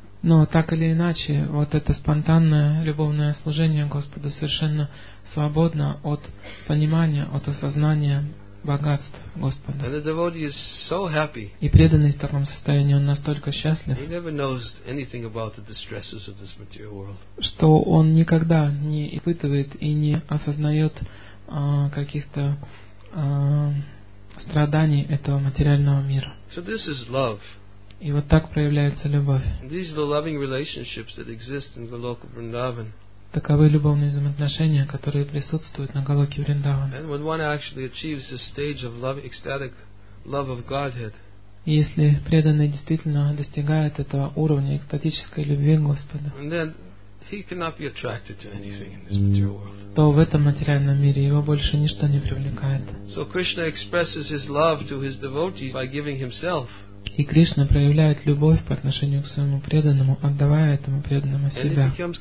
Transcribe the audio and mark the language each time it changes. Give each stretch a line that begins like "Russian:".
Russian: Но так или иначе, вот это спонтанное любовное служение Господу совершенно свободно от понимания, от осознания богатств Господа.
English: And the devotee is so happy.
Russian: И преданный в таком состоянии, он настолько счастлив,
English: he never knows anything about the distresses of this material world.
Russian: Что он никогда не испытывает и не осознает каких-то страданий этого материального мира.
English: So this is love.
Russian: И вот так проявляется любовь.
English: These are the loving relationships that exist in Goloka Vrindavan.
Russian: Таковы любовные взаимоотношения, которые присутствуют на Голоке Вриндаван.
English: And when one actually achieves the stage of love, ecstatic love of Godhead.
Russian: Если преданный действительно достигает этого уровня экстатической любви Господа,
English: then he cannot be attracted to anything in this material world.
Russian: То в этом материальном мире его больше ничто не привлекает.
English: So Krishna expresses his love to his devotees by giving himself.
Russian: И Кришна проявляет любовь по отношению к своему преданному, отдавая этому преданному себя.